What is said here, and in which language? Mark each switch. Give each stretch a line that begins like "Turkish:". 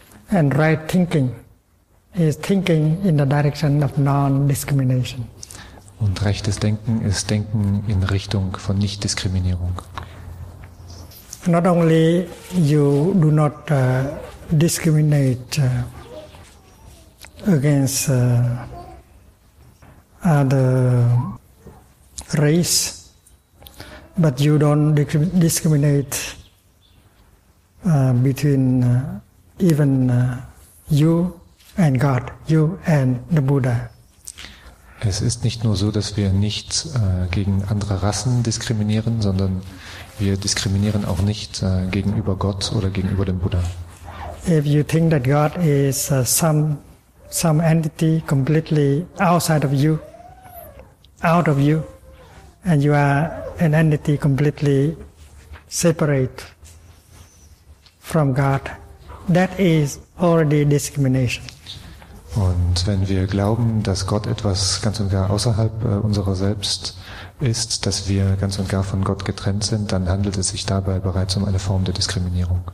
English: And right thinking is thinking in the direction of non-discrimination.
German: Und rechtes Denken ist Denken in Richtung von Nicht-Diskriminierung.
English: Not only you do not discriminate against other race, but you don't discriminate between even you and God, you and the Buddha.
German: Es ist nicht nur so, dass wir nicht gegen andere Rassen diskriminieren, sondern wir diskriminieren auch nicht gegenüber Gott oder gegenüber dem Buddha.
English: If you think that God is some entity completely outside of you, out of you, and you are an entity completely separate from God, that is already discrimination.
German: Und wenn wir glauben, dass Gott etwas ganz und gar außerhalb unserer selbst ist, dass wir ganz und gar von Gott getrennt sind, dann handelt es sich dabei bereits um eine Form der Diskriminierung.